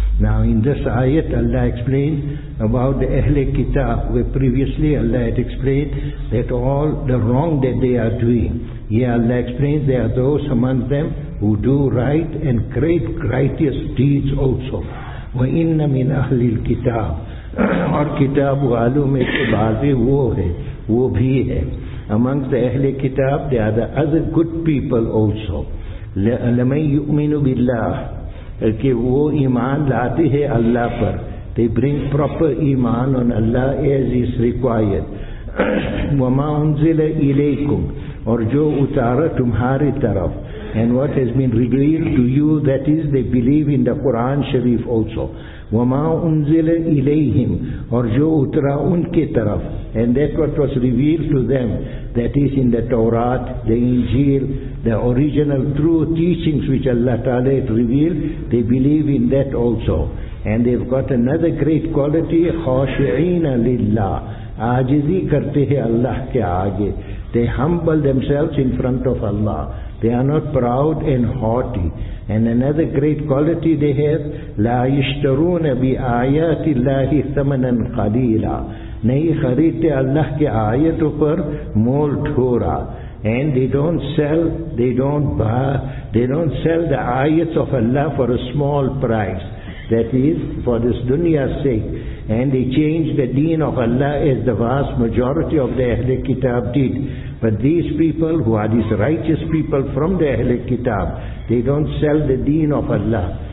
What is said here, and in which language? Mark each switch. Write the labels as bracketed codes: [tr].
[en] Now in this ayat, Allah explained about the Ahle Kitab, where previously Allah had explained that all the wrong that they are doing. Here Allah explained there are those among them who do right and great righteous deeds also. [ar] وَإِنَّ مِنْ أَهْلِ الْكِتَابِ [ur] اور کتاب والوں میں سے بعضی وہ ہے, وہ بھی ہے. [en] Amongst the Ahle Kitab, there are the other good people also. [ar] لَمَنْ يُؤْمِنُ بِاللَّهِ [ur] کہ وہ ایمان لاتے ہیں اللہ پر. [en] They bring proper ایمان on Allah as is required. [ar] وَمَا أُنزِلَ إِلَيْكُمْ [ur] اور جو اتارا تمہاری طرف. [en] And what has been revealed to you, that is, they believe in the Quran Sharif also. [ar] وَمَا أُنزِلَ إِلَيْهِمْ [ur] اور جو اترا ان کے طرف. [en] And that what was revealed to them, that is in the Torah, the Injil, the original true teachings which Allah Ta'ala had revealed, they believe in that also. And they've got another great quality, [ar] خَاشِعِينَ لِلَّهِ [ur] عَاجِزِي کرتے ہیں اللہ کے آگے. [en] They humble themselves in front of Allah. They are not proud and haughty. And another great quality they have, [ar] لَا يَشْتَرُونَ بِآيَاتِ اللَّهِ ثَمَنًا قَلِيلًا. [ur] نہیں خریدتے اللہ کے آیتوں پر مول ٹھورا. [en] And they don't sell the ayats of Allah for a small price. That is, for this dunya's sake. And they change the deen of Allah as the vast majority of the Ahle Kitab did. But these people, who are these righteous people from the Ahle Kitab, they don't sell the deen of Allah.